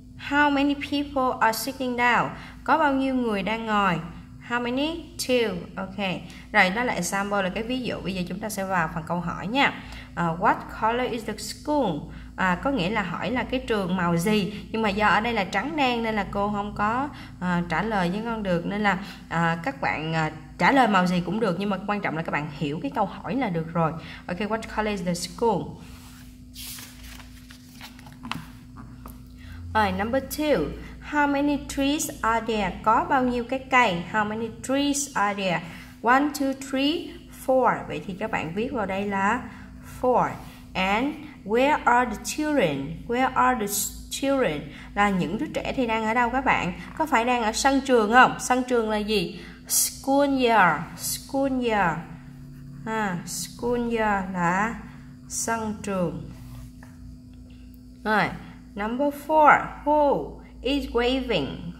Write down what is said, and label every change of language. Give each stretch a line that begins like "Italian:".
English: How many people are sitting down?
Vietnamese: Có bao nhiêu người đang ngồi?
English: How many? Two. Ok.
Vietnamese: Rồi, đó là example, là cái ví dụ. Bây giờ chúng ta sẽ vào phần câu hỏi nha.
English: What color is the school?
Vietnamese: Có nghĩa là hỏi là cái trường màu gì. Nhưng mà do ở đây là trắng đen nên là cô không có trả lời với con được. Nên là các bạn trả lời màu gì cũng được. Nhưng mà quan trọng là các bạn hiểu cái câu hỏi là được rồi.
English: Ok, what color is the school? Number two. How many trees are there?
Vietnamese: Có bao nhiêu cái cây?
English: How many trees are there? 1, 2, 3, 4.
Vietnamese: Vậy thì các bạn viết vào đây là 4.
English: And where are the children? Where are the children?
Vietnamese: Là những đứa trẻ thì đang ở đâu các bạn? Có phải đang ở sân trường không? Sân trường là gì?
English: School yard. School yard. School yard
Vietnamese: là sân trường.
English: Rồi, number 4. Who is waving?